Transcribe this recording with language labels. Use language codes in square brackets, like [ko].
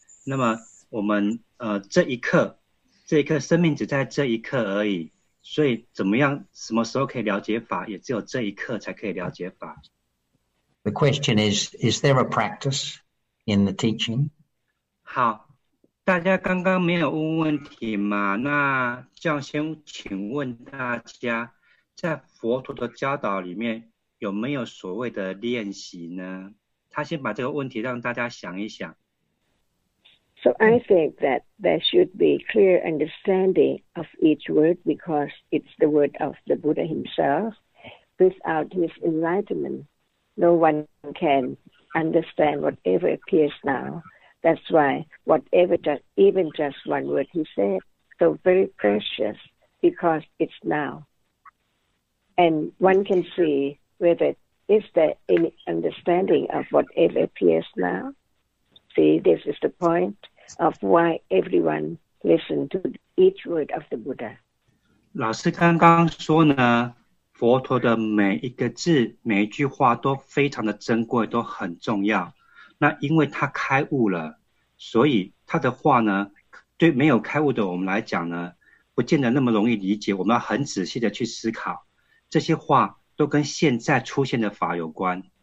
[zh] 那么我们这一刻生命只在这一刻而已，所以怎么样，什么时候可以了解法，也只有这一刻才可以了解法。 [en] The question is there a practice in the teaching? [zh] 好，大家刚刚没有问问题嘛？那这样先请问大家，在佛陀的教导里面有没有所谓的练习呢？他先把这个问题让大家想一想。 [en] So I think that there should be clear understanding of each word because it's the word of the Buddha himself. Without his enlightenment, no one can understand whatever appears now. That's why whatever, just even just one word he said, so very precious because it's now. And one can see whether is there any understanding of whatever appears now. See, this is the point of why everyone listen to each word of the Buddha. [zh] 老师刚刚说呢，佛陀的每一个字、每一句话都非常的珍贵，都很重要。那因为他开悟了，所以他的话呢，对没有开悟的我们来讲呢，不见得那么容易理解。我们要很仔细的去思考，这些话都跟现在出现的法有关。